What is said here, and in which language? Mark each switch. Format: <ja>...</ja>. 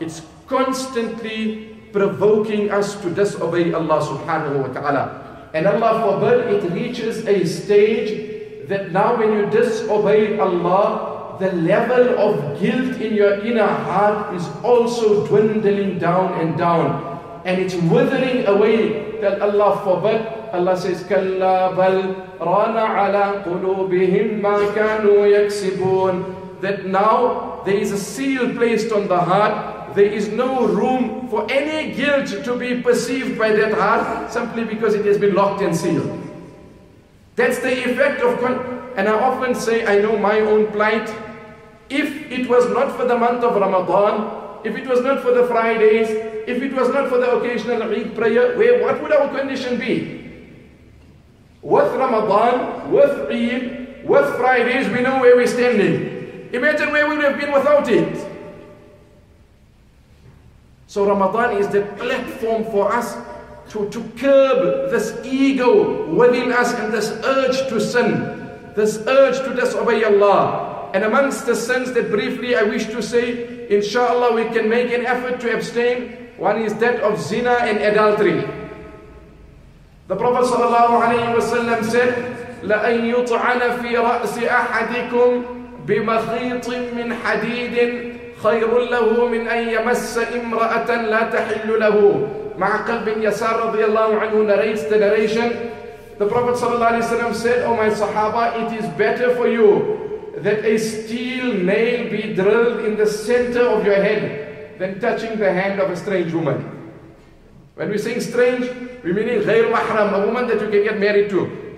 <en>It's constantly provoking us to disobey Allah subhanahu wa ta'ala. And Allah forbid, it reaches a stage that now when you disobey Allah, the level of guilt in your inner heart is also dwindling down and down, and it's withering away. That Allah forbid. Allah says,</en> <ar>كلا بل ران على قلوبهم ما كانوا يكسبون.</ar> <en>That now there is a seal placed on the heart. There is no room for any guilt to be perceived by that heart, simply because it has been locked and sealed. That's the effect of And I often say, I know my own plight. If it was not for the month of Ramadan, if it was not for the Fridays, if it was not for the occasional Eid prayer, where, what would our condition be? With Ramadan, with Eid, with Fridays, we know where we're standing. Imagine where we would have been without it. So Ramadan is the platform for us to curb this ego within us and this urge to sin, this urge to disobey Allah. And amongst the sins that briefly I wish to say, inshallah we can make an effort to abstain, one is that of zina and adultery. The Prophet sallallahu alayhi wa sallam said,</en> <ar>لَأَنْ يُطْعَنَ فِي رَأْسِ أَحَدِكُمْ بِمَخِيطٍ مِّنْ حَدِيدٍ خَيْرٌ لَهُ مِنْ أَنْ يَمَسَّ إِمْرَأَةً لَا تَحِلُّ لَهُ.</ar> <en>مَعْقَلْ بِنْ يَسَارَ رَضِيَ اللَّهُ عَنْهُ narrates the narration. The Prophet sallallahu alayhi wa sallam said, O my Sahaba, it is better for you that a steel nail be drilled in the center of your head than touching the hand of a strange woman. When we say strange, we mean</en> <ar>غير محرم,</ar> <en>a woman that you can get married to.</en>